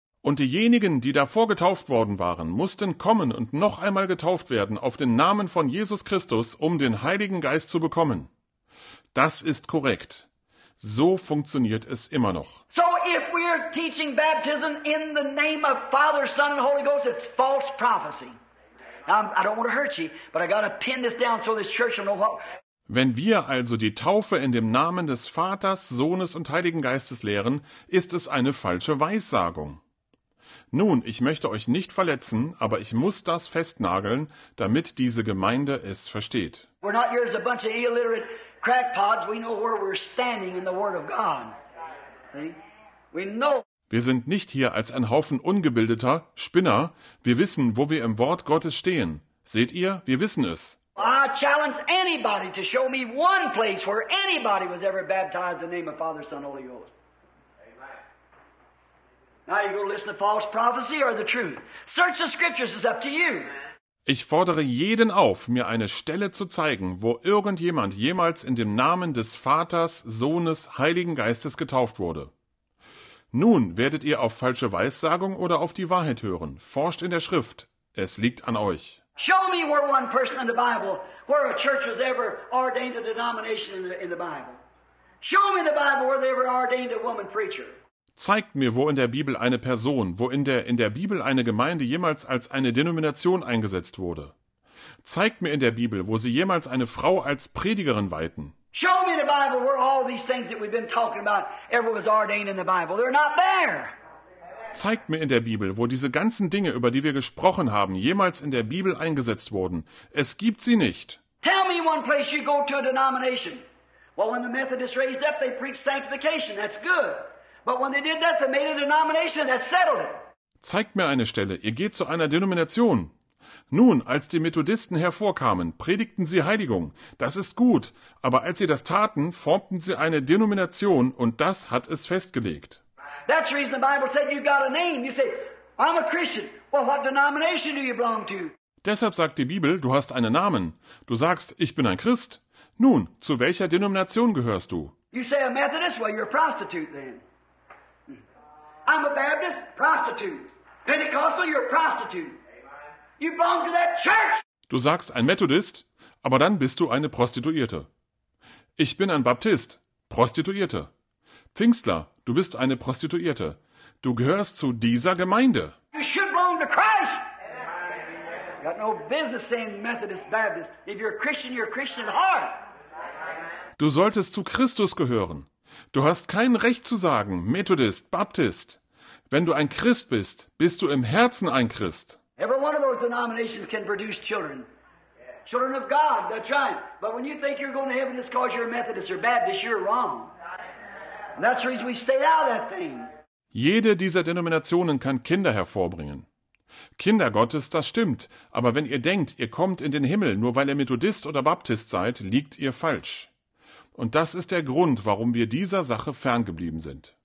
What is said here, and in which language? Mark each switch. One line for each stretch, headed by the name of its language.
German: Und diejenigen, die davor getauft worden waren, mussten kommen und noch einmal getauft werden auf den Namen von Jesus Christus, um den Heiligen Geist zu bekommen. Das ist korrekt. So funktioniert es immer noch.
English: So if we are teaching baptism in the name of Father, Son and Holy Ghost, it's false prophecy. Now, I don't want to hurt you, but I got to pin this down so this church will know what...
German: Wenn wir also die Taufe in dem Namen des Vaters, Sohnes und Heiligen Geistes lehren, ist es eine falsche Weissagung. Nun, ich möchte euch nicht verletzen, aber ich muss das festnageln, damit diese Gemeinde es versteht.
English: We're not here as a bunch of illiterate crackpots. We know where we're standing in the Word of God. See? We know.
German: Wir sind nicht hier als ein Haufen ungebildeter Spinner. Wir wissen, wo wir im Wort Gottes stehen. Seht ihr? Wir wissen es.
English: I challenge anybody to show me one place where anybody was ever baptized in the name of Father, Son, Holy Ghost. Amen. Now you go listen to false prophecy or the truth. Search the scriptures, it's up to you.
German: Ich fordere jeden auf, mir eine Stelle zu zeigen, wo irgendjemand jemals in dem Namen des Vaters, Sohnes, Heiligen Geistes getauft wurde. Nun werdet ihr auf falsche Weissagung oder auf die Wahrheit hören. Forscht in der Schrift. Es liegt an euch.
English: Show me where one person in the Bible, where a church has ever ordained a denomination in the Bible. Show me in the Bible where they ever ordained a woman preacher.
German: Zeigt mir, wo in der Bibel eine Person, wo in der Bibel eine Gemeinde jemals als eine Denomination eingesetzt wurde. Zeigt mir in der Bibel, wo sie jemals eine Frau als Predigerin weihten.
English: Show me in the Bible where all these things that we've been talking about ever was ordained in the Bible. They're not there.
German: Zeigt mir in der Bibel, wo diese ganzen Dinge, über die wir gesprochen haben, jemals in der Bibel eingesetzt wurden. Es gibt sie nicht.
English: Tell me one place you go to a denomination. Well, when the Methodists raised up, they preached sanctification. That's good. But when they did that, they made a denomination that settled it.
German: Zeigt mir eine Stelle. Ihr geht zu einer Denomination. Nun, als die Methodisten hervorkamen, predigten sie Heiligung. Das ist gut. Aber als sie das taten, formten sie eine Denomination und das hat es festgelegt.
English: That's the reason the Bible said you've got a name. You say, I'm a Christian. Well, what denomination do you belong to?
German: Deshalb sagt die Bibel, du hast einen Namen. Du sagst, ich bin ein Christ. Nun, zu welcher Denomination gehörst du?
English: You say a Methodist? Well, you're a prostitute then. I'm a Baptist? Prostitute. Pentecostal? You're a prostitute. You belong to that church.
German: Du sagst, ein Methodist, aber dann bist du eine Prostituierte. Ich bin ein Baptist. Prostituierte. Pfingstler, du bist eine Prostituierte. Du gehörst zu dieser Gemeinde.
English: You should belong to Christ. You got no business saying Methodist, Baptist. If you're a Christian, you're a Christian at heart.
German: Du solltest zu Christus gehören. Du hast kein Recht zu sagen, Methodist, Baptist. Wenn du ein Christ bist, bist du im Herzen ein Christ.
English: Every one of those denominations can produce children. Children of God, that's right. But when you think you're going to heaven just because you're a Methodist or Baptist, you're wrong. That's the reason we stayed out of that thing.
German: Jede dieser Denominationen kann Kinder hervorbringen. Kinder Gottes, das stimmt. Aber wenn ihr denkt, ihr kommt in den Himmel, nur weil ihr Methodist oder Baptist seid, liegt ihr falsch. Und das ist der Grund, warum wir dieser Sache ferngeblieben sind.